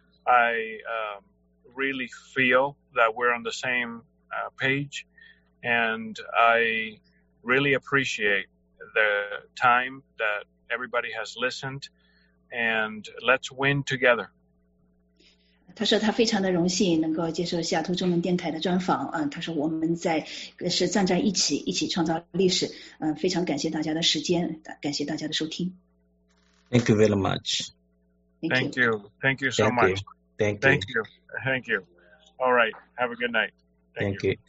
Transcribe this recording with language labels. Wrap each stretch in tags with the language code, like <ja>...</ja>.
<en>I really feel that we're on the same page, and I really appreciate the time that everybody has listened, and let's win together.</en> <zh>他说他非常的荣幸能够接受西雅图中文电台的专访，他说我们在是站在一起，一起创造历史，非常感谢大家的时间，感谢大家的收听。</zh> <en>Thank you very much. Thank you so much. All right, have a good night. Thank you.</en>